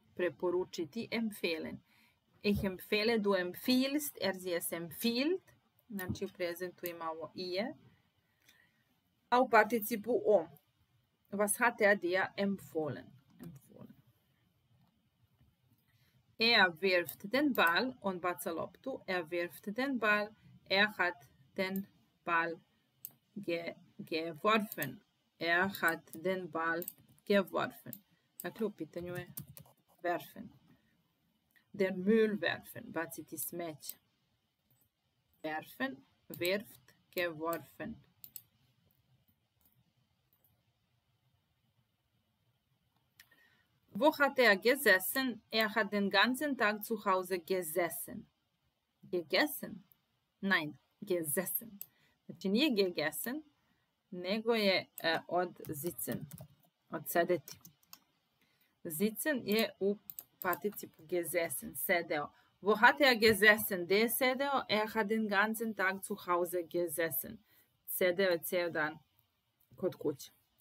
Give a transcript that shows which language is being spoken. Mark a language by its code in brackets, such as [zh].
[sr] Preporučiti, [de] empfehlen. Ich empfehle, du empfiehlst, sie es empfiehlt. [sr] Znači, u prezentu ima ovo ije. A u participu o. [de] Was hat dir empfohlen? Empfohlen. Wirft den Ball und [sr] baca loptu. [de] Wirft den Ball. Hat den Ball geworfen. Hat den Ball geworfen. [sr] Dakle, u pitanju je [de] werfen. Der Müll werfen. [sr] Baciti smeće. [de] Werfen. Wirft. Geworfen. Wo hat gesessen? Hat den ganzen Tag zu Hause gesessen. Gegessen? Nein, gesessen. [sr] Znači nije gegessen, nego je od sitzen, od sedeti. Sitzen je u participu gesessen, sedeo. [de] Wo hat gesessen? [sr] De sedeo? [de] Hat den ganzen Tag zu Hause gesessen. [sr] Sedeo je ceo dan kod kuće.